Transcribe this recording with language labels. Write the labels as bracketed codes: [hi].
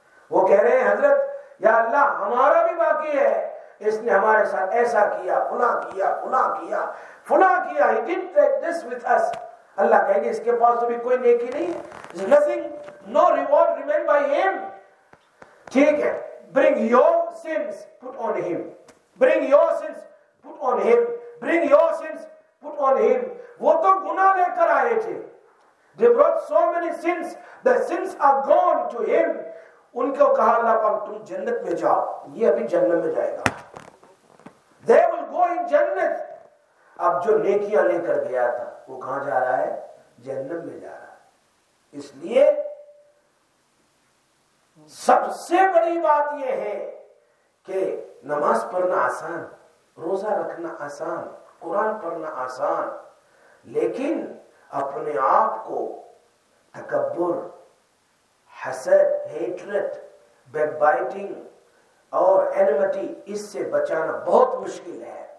[ur] وہ کہہ رہے ہیں حضرت یا اللہ ہمارا بھی باقی ہے, اس نے ہمارے ساتھ ایسا کیا, فلاں کیا, فلاں کیا, فلاں کیا, [en] he did this with us. [ur] اللہ کہے گے اس کے پاس تو بھی کوئی نیکی نہیں, [en] nothing, no reward remain by him. [ur] ٹھیک ہے, [en] bring your sins put on him, bring your sins put on him, bring your sins put on him. [ur] وہ تو گناہ لے کر آئے تھے, [en] they brought so many sins, the sins are gone to him. [ur] ان کو کہا اللہ پاک تم جنت میں جاؤ, یہ ابھی جنت میں جائے گا, [en] they will go in [ur] جنت. اب جو نیکیاں لے کر گیا تھا وہ کہاں جا رہا ہے, جہنم میں جا رہا ہے. اس لیے سب سے بڑی بات یہ ہے کہ نماز پڑھنا آسان, روزہ رکھنا آسان, قرآن پڑھنا آسان, لیکن اپنے آپ کو تکبر, حسد, ہیٹرٹ, بیک بائٹنگ اور اینمٹی, اس سے بچانا بہت مشکل ہے.